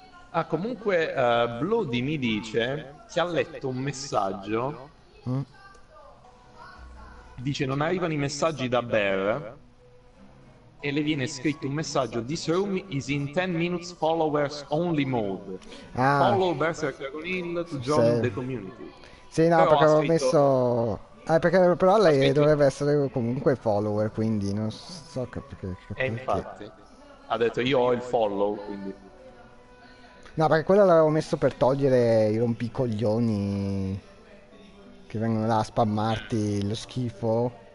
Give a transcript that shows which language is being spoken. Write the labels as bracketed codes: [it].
[it] Ah, comunque Bloody mi dice che ha letto un messaggio. Dice non arrivano i messaggi da Bear e le viene scritto un messaggio: [en] this room is in 10 minutes followers only mode. [it] Ah. [en] Follow Bear Dragon Hill to join the community. [it] Sì, no, però perché avevo messo... perché però lei dovrebbe essere comunque follower, quindi non so perché... E infatti, ha detto io ho il follow, quindi... No, perché quella l'avevo messo per togliere i rompicoglioni che vengono là a spammarti lo schifo.